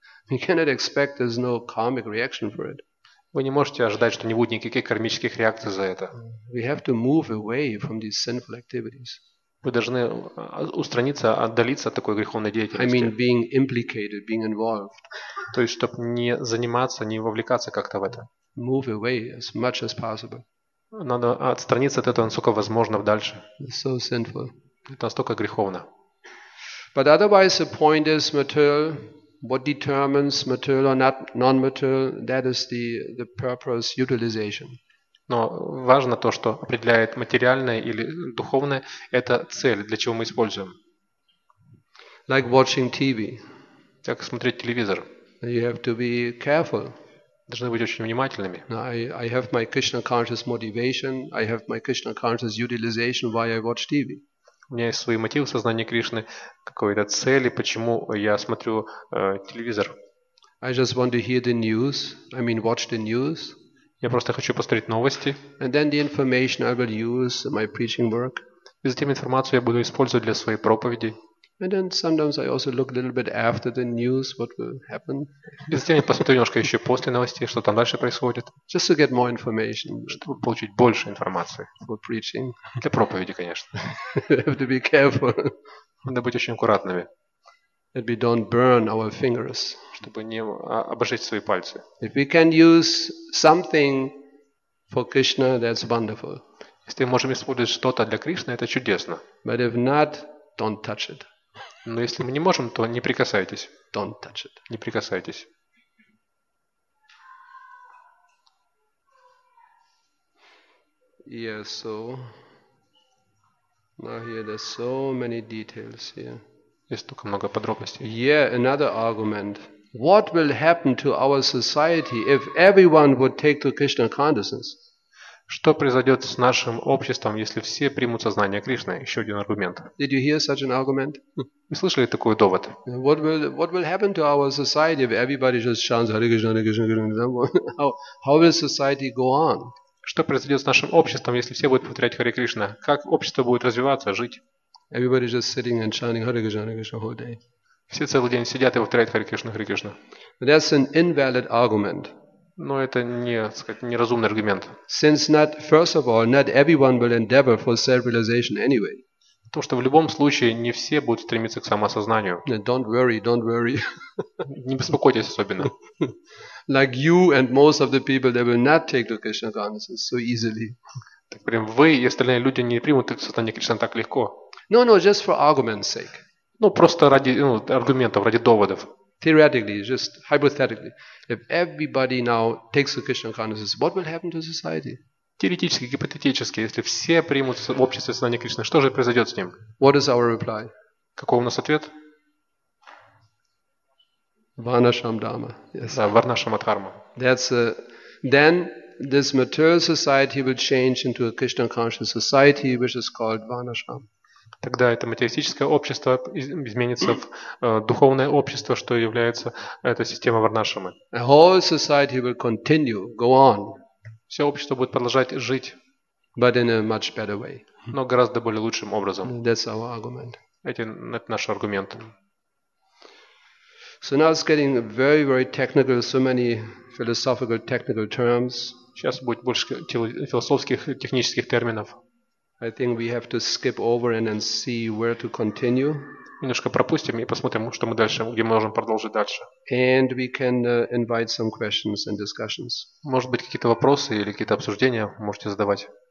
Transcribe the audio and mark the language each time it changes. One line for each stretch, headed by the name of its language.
English: You cannot expect there's no karmic reaction for it.
Russian: Вы не можете ожидать, что не будет никаких кармических реакций за это.
English: We have to move away from these sinful activities.
Russian: Вы должны устраниться, отдалиться от такой греховной
English: I
Russian: деятельности.
English: mean being implicated, being involved.
Russian: То есть, чтобы не заниматься, не вовлекаться как-то в это.
English: Move away as much as possible.
Russian: Надо отстраниться от этого, насколько возможно, дальше.
English: So sinful.
Russian: Это настолько греховно.
English: But otherwise the point is material, what determines material or not non-material, that is the purpose utilization.
Russian: Но важно то, что определяет материальное или духовное, это цель, для чего мы используем.
English: Like watching TV.
Russian: Как смотреть телевизор.
English: You have to be careful.
Russian: Должны быть очень внимательными.
English: I have my Krishna conscious motivation, I have my Krishna conscious utilization why I watch TV.
Russian: У меня есть свои мотивы сознания Кришны, какой-то цели, почему я смотрю телевизор.
English: I just want to hear the news, I mean watch the news.
Russian: Я просто хочу посмотреть новости.
English: And then the information I will use in my preaching work.
Russian: И затем информацию я буду использовать для своей проповеди.
English: And then sometimes I also look a little bit after the news, what will happen.
Russian: И затем я посмотрю немножко еще после новостей, что там дальше происходит.
English: Just to get more information.
Russian: Чтобы получить больше информации.
English: For preaching.
Russian: Для проповеди, конечно.
English: Have to be careful.
Russian: Надо быть очень аккуратными.
English: That we don't burn our fingers.
Russian: Чтобы не обожечь свои пальцы.
English: If we can use something for Krishna, that's wonderful.
Russian: Если мы можем использовать что-то для Кришны, это чудесно.
English: But if not, don't touch it.
Russian: Но если мы не можем, то не прикасайтесь.
English: Don't touch it.
Russian: Не прикасайтесь.
English: Yes, so now here there's so many details here.
Russian: Есть только много подробностей.
English: Yeah, another argument. What will happen to our society if everyone would take to Krishna consciousness?
Russian: Что произойдет с нашим обществом, если все примут сознание Кришны? Еще один аргумент.
English: Did you hear such an argument?
Russian: Вы слышали такой довод?
English: What will happen to our society if everybody just chants Hare Krishna, Hare Krishna, Hare Krishna? How will society go on?
Russian: Что произойдет с нашим обществом, если все будут повторять Харе Кришна? Как общество будет развиваться, жить?
English: Everybody just sitting and chanting Hare Krishna, Hare Krishna whole day.
Russian: Все целый день сидят и повторяют Hare Krishna, Hare Krishna.
English: That's an invalid argument.
Russian: Но это не, так сказать, неразумный аргумент.
English: Since not, first of all, not everyone will endeavor for self-realization anyway.
Russian: То, что в любом случае не все будут стремиться к самосознанию.
English: Don't worry, don't worry.
Russian: Не беспокойтесь особенно.
English: Like you and most of the people, they will not take to Krishna consciousness so easily.
Russian: Так прям вы и остальные люди не примут сознание Кришны так легко.
English: No, no, just for argument's sake.
Russian: Ну, просто ради, ну, аргументов, ради доводов.
English: Theoretically, just hypothetically, if everybody now takes the Krishna consciousness, what will happen to society?
Russian: Теоретически, гипотетически, если все примут в обществе сознание Кришны, что же произойдет с ним?
English: What is our reply?
Russian: Какой у нас ответ? Варнашам дхамма. Yes. Да, варнашама дхарма.
English: That's a, then this material society will change into a Krishna conscious society, which is called Varnashram.
Russian: Тогда это материалистическое общество изменится в духовное общество, что является эта система варнашрамы.
English: The whole society will continue, go on.
Russian: Все общество будет продолжать жить,
English: but in a much better way.
Russian: Но гораздо более лучшим образом.
English: That's our argument.
Russian: Это наш аргумент.
English: So now it's getting very, very technical, so many philosophical, technical terms.
Russian: Сейчас будет больше философских, технических терминов.
English: I think we have to skip over and then see where to continue.
Russian: Немножко пропустим и посмотрим, что мы дальше, где мы можем продолжить дальше.
English: And we can invite some questions and discussions.
Russian: Может быть, какие-то вопросы или какие-то обсуждения можете задавать.